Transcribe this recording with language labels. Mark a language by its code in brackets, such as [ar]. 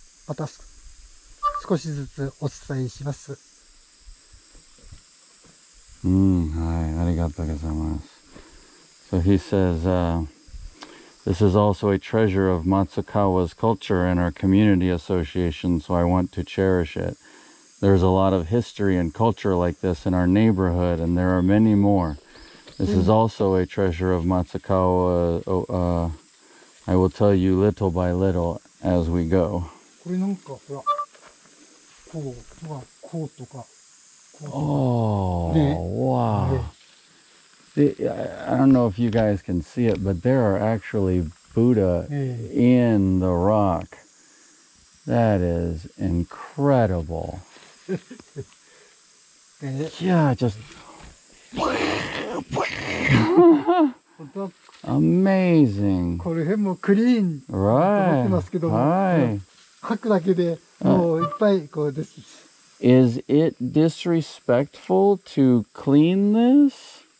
[ja] また少しずつお伝えします。はい。ありがとうございます。 [en] So he says, This is also a treasure of Matsukawa's culture and our community association, so I want to cherish it. There's a lot of history and culture like this in our neighborhood, and there are many more. This is also a treasure of Matsukawa. I will tell you little by little as we go. [ja] これなんかほら、こう、こうとか、こうとか。 [en] Oh, wow. See, I don't know if you guys can see it, but there are actually Buddha in the rock. That is incredible. Yeah, just... Amazing. [ja] これ辺もクリーンと思ってますけども、はい、吐くだけでもういっぱいこうです。 [en] Is it disrespectful to clean this?